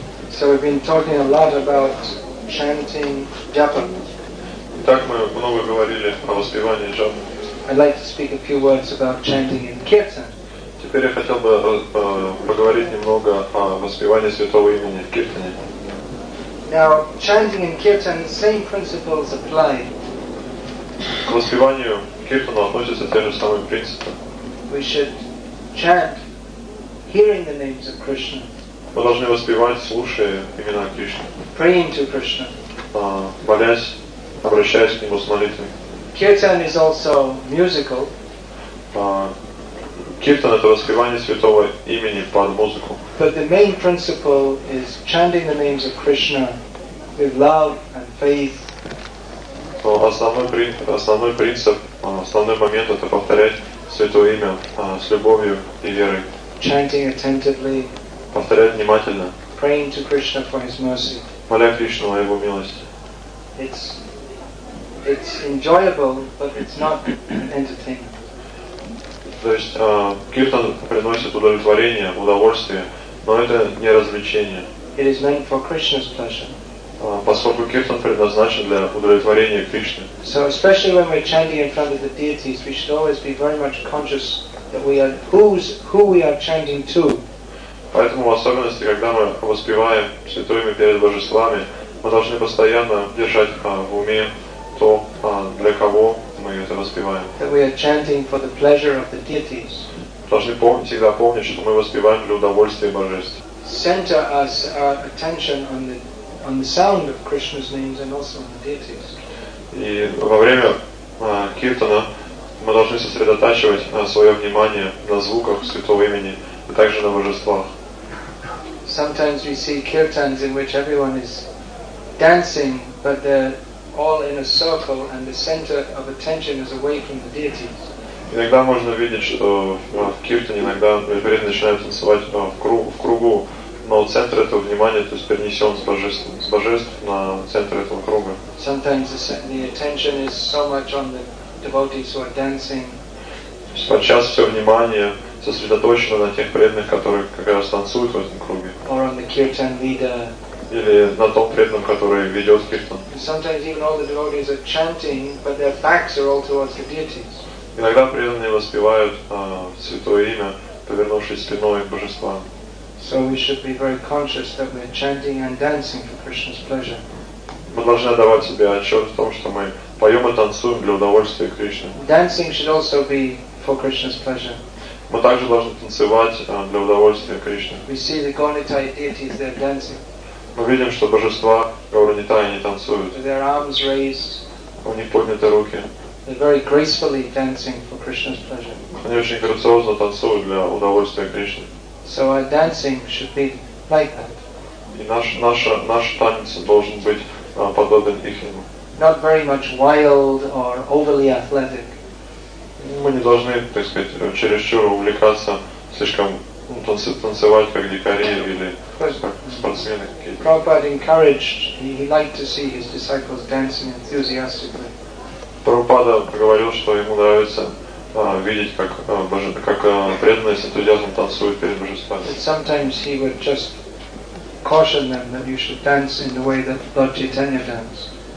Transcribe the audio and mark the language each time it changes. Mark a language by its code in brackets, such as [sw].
[en] So we've been talking a lot about chanting japa. [ru] Итак, мы много говорили о воспевании джапы. [en] I'd like to speak a few words about chanting in kirtan. [ru] Теперь я хотел бы поговорить немного о воспевании святого имени в киртане. [en] Now, chanting in kirtan, same principles apply. [ru] К воспеванию киртана относятся те же самые принципы. [en] We should chant hearing the names of Krishna. [ru] Мы должны воспевать, слушая имена Кришны. [en] Praying to Krishna. [ru] Молясь, обращаясь к Нему с молитвой. [en] Kirtan is also musical. [ru] Киртан — это воспевание святого имени под музыку. [en] But the main principle is chanting the names of Krishna with love and faith. [ru] Но основной момент — это повторять святое имя с любовью и верой. [en] Chanting attentively. [ru] Повторять внимательно. [en] Praying to Krishna for His mercy. [ru] Моля Кришну о Его милости. [en] It's enjoyable, but it's not entertaining. [ru] То есть киртан приносит удовлетворение, удовольствие, но это не развлечение. [en] It is meant for Krishna's pleasure. [ru] Поскольку киртан предназначен для удовлетворения Кришны. [en] So especially when we're chanting in front of the deities, we should always be very much conscious that we are who we are chanting to. [ru] Поэтому в особенности, когда мы воспеваем святыми перед божествами, мы должны постоянно держать в уме то, для кого мы это воспеваем. [en] That we are chanting for the pleasure of the deities. [ru] Должны всегда помнить, что мы воспеваем для удовольствия божеств. [en] Center us our attention on the sound of Krishna's names and also on the deities. [ru] И во время киртана мы должны сосредотачивать свое внимание на звуках святого имени, а также на божествах. [en] Sometimes we see kirtans in which everyone is dancing, but the all in a circle, and the center of attention is away from the deities. [ru] Иногда можно видеть, что в киртане иногда люди начинают танцевать в кругу, но центр этого внимания, то есть перенесен с божеств на центр этого круга. [en] Sometimes the attention is so much on the devotees who are dancing. [ru] Подчас все внимание сосредоточено на тех преданных, которые как раз танцуют в этом круге. [en] Or on the kirtan leader. [ru] Или на том преданном, который ведет киртан. [en] Sometimes even all the devotees are chanting, but their backs are all towards the deities. [ru] Иногда преданные воспевают святое имя, повернувшись спиной к божествам. [en] So we should be very conscious that we're chanting and dancing for Krishna's pleasure. [ru] Мы должны давать себе отчет в том, что мы поем и танцуем для удовольствия Кришны. [en] Dancing should also be for Krishna's pleasure. [ru] Мы также должны танцевать для удовольствия Кришны. [en] We see the Gaunitai deities, they're dancing. [ru] Мы видим, что божества Гауранитая не танцуют. [en] Their arms raised. [ru] У них подняты руки. [en] They're very gracefully dancing for Krishna's pleasure. [ru] Они очень грациозно танцуют для удовольствия Кришны. [en] So our dancing should be like that. [ru] И наш танец должен быть подобен их. [en] Not very much wild or overly athletic. [ru] Мы не должны, так сказать, чересчур увлекаться, слишком танцевать как дикари или спортсмены какие-то. [en] Prabhupada encouraged, he liked to see his disciples dancing enthusiastically. [ru] Prabhupada говорил, что ему нравится видеть, как преданные с энтузиазмом танцуют перед божествами. [en] But sometimes he would just caution them that you should dance in the way that Lord Chaitanya danced.